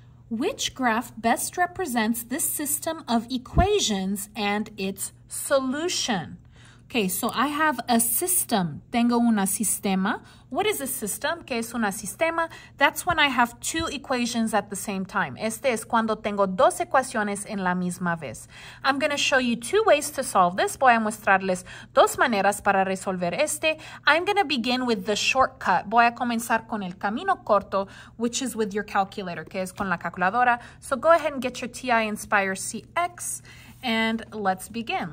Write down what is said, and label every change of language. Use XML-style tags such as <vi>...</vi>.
<en>Which graph best represents this system of equations and its solution? Okay, so I have a system.</en> <es>Tengo una sistema.</es> <en>What is a system?</en> <es>¿Qué es una sistema?</es> <en>That's when I have two equations at the same time.</en> <es>Este es cuando tengo dos ecuaciones en la misma vez.</es> <en>I'm going to show you two ways to solve this.</en> <es>Voy a mostrarles dos maneras para resolver este.</es> <en>I'm going to begin with the shortcut.</en> <es>Voy a comenzar con el camino corto,</es> <en>which is with your calculator,</en> <es>que es con la calculadora.</es> <en>So go ahead and get your TI-Nspire CX. And let's begin.</en>